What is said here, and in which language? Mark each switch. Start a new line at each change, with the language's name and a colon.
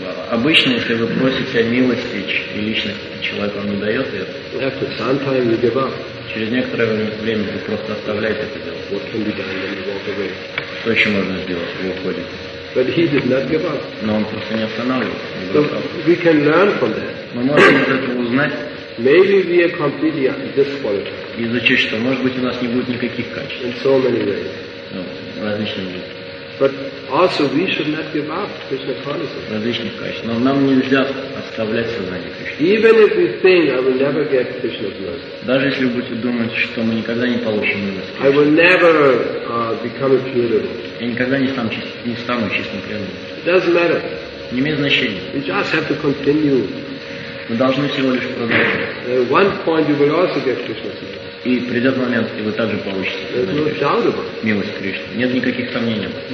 Russian: Обычно, если вы просите о милости и личности, человек вам не дает ее.
English: After some time, you give up.
Russian: Через некоторое время вы просто оставляете это дело.
English: What can be done when you walk away?
Russian: Что еще можно сделать? Вы уходите.
English: But he did not give up.
Russian: Но он просто не останавливался.
English: So we can learn from that.
Russian: Мы можем из этого узнать.
English: Maybe we are completely disqualified.
Russian: Изучить, что может быть у нас не будет никаких качеств.
English: In so many ways.
Russian: Ну, различными людьми.
English: But also we should not give up Krishna consciousness.
Russian: Различных качеств. Но нам нельзя оставлять сознание Кришны.
English: Even if we think I will never get Krishna's mercy.
Russian: Даже если вы будете думать, что мы никогда не получим милость.
English: I will never become a pure devotee.
Russian: Я никогда не стану чистым преданным.
English: It doesn't matter.
Russian: Не имеет значения.
English: We just have to continue.
Russian: Мы должны всего лишь продолжать.
English: At one point you will also get Krishna's mercy.
Russian: И придет момент, и вы также получите милость Кришны. Нет никаких сомнений.